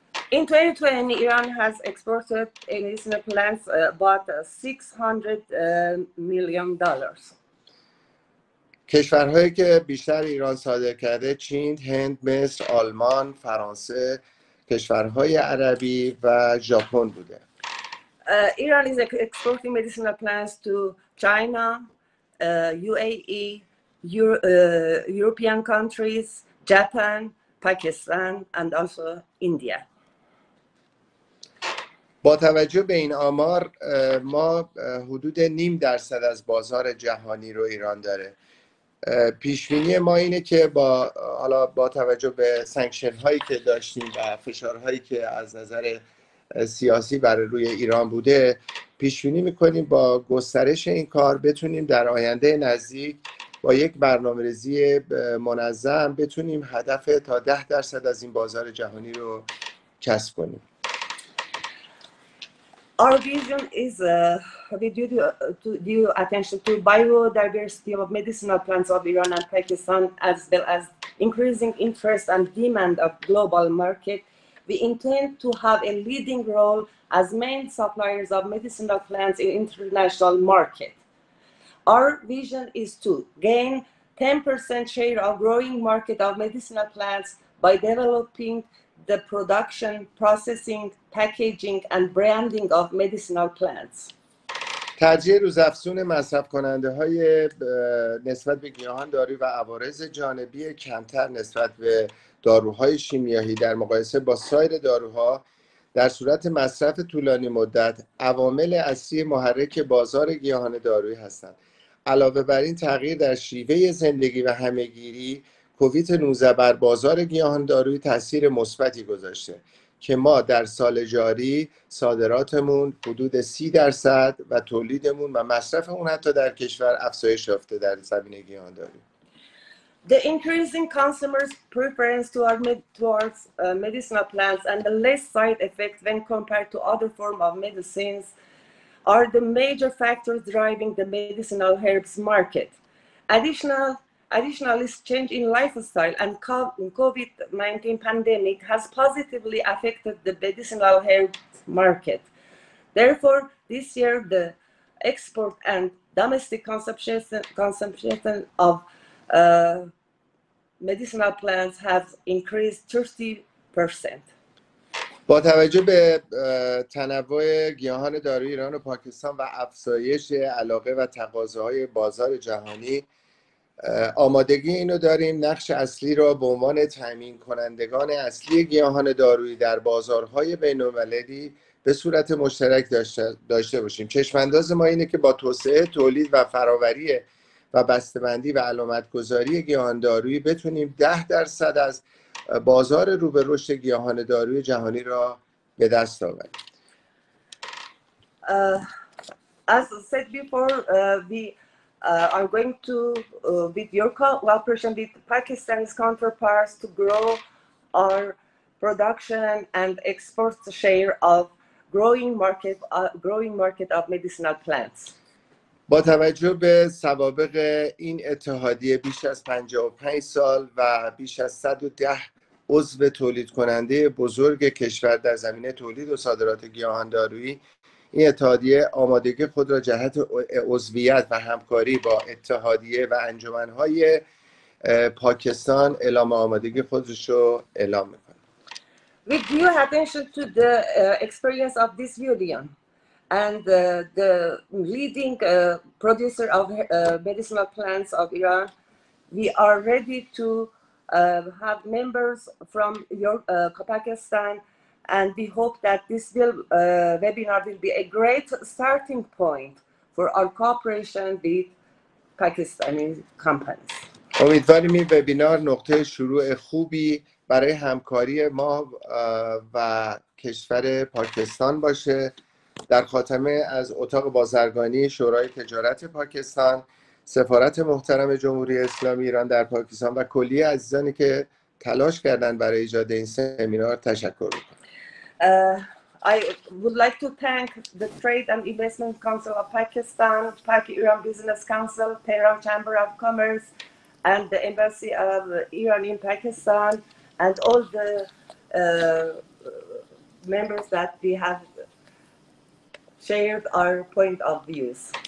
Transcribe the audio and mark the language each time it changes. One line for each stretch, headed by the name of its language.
English: In 2020, Iran has exported in its plants about $600 million.
Persian: کشورهایی که بیشتر ایران صادر کرده چین، هند، مصر، آلمان، فرانسه، کشورهای عربی و ژاپن بوده.
English: Iran is exporting medicinal plants to China, UAE, European countries, Japan, Pakistan and also India.
Persian: با توجه به این آمار ما حدود 0.5% از بازار جهانی رو ایران داره. پیشبینی ما اینه که با توجه به سانکشن هایی که داشتیم و فشارهایی که از نظر سیاسی بر روی ایران بوده پیشبینی میکنیم با گسترش این کار بتونیم در آینده نزدیک با یک برنامه‌ریزی منظم بتونیم هدف تا 10% از این بازار جهانی رو کسب کنیم.
English: Our vision is due attention to biodiversity of medicinal plants of Iran and Pakistan as well as increasing interest and demand of global market. We intend to have a leading role as main suppliers of medicinal plants in international market. Our vision is to gain 10% share of growing market of medicinal plants by developing the production, processing, packaging and branding of medicinal plants.
Persian: ترجیح روزافزون مصرف کننده های نسبت به گیاهان داری و عوارض جانبی کمتر نسبت به داروهای شیمیایی در مقایسه با سایر داروها در صورت مصرف طولانی مدت عوامل اصلی محرک بازار گیاهان دارویی هستند. علاوه بر این تغییر در شیوه زندگی و همه‌گیری کووید 19 بر بازار گیاهان داروی تاثیر مثبتی گذاشته که ما در سال جاری صادراتمون حدود 30% و تولیدمون و مصرفمون حتی در کشور افزایش یافته در زمینه گیاهان داروی.
English: The increasing consumers' preference towards medicinal plants and the less side effects when compared to other forms of medicines are the major factors driving the medicinal herbs market. Additionally, change in lifestyle and COVID-19 pandemic has positively affected the medicinal herbs market. Therefore, this year the export and domestic consumption of medicinal plants has increased 30%.
Persian: با توجه به تنوع گیاهان داروی ایران و پاکستان و افزایش علاقه و تقاضاهای بازار جهانی آمادگی اینو داریم نقش اصلی را به عنوان تامین کنندگان اصلی گیاهان دارویی در بازارهای بین المللی به صورت مشترک داشته باشیم. چشم انداز ما اینه که با توسعه تولید و فراوری و بسته‌بندی و علامت گذاری گیاهان دارویی بتونیم 10% از بازار روبه رشد گیاهان دارویی جهانی را به دست آوریم.
English: Are going to, with your cooperation with Pakistan's counterparts, to grow our production and export share of growing market of medicinal plants.
Persian: با توجه به سوابق این اتحادیه بیش از 55 سال و بیش از 110 عضو تولید کننده بزرگ کشور در زمینه تولید و صادرات گیاهان دارویی، این اتحادیه آمادگی خود را جهت عضویت و همکاری با اتحادیه و انجمنهای پاکستان اعلام آمادگی خودش را اعلام میکنه.
English: With due attention to the experience of this union and the leading producer of medicinal plants of Iran, we are ready to have members from Pakistan. And we hope that this webinar will be a great starting point for our cooperation with Pakistani companies.
Persian: امیدواریم این وبینار نقطه شروع خوبی برای همکاری ما و کشور پاکستان باشه. در خاتمه از اتاق بازرگانی شورای تجارت پاکستان، سفارت محترم جمهوری اسلامی ایران در پاکستان و کلیه عزیزانی که تلاش کردن برای ایجاد این سمینار تشکر می‌کنم.
English: I would like to thank the Trade and Investment Council of Pakistan, Pak-Iran Business Council, Tehran Chamber of Commerce, and the Embassy of Iran in Pakistan, and all the members that we have shared our point of views.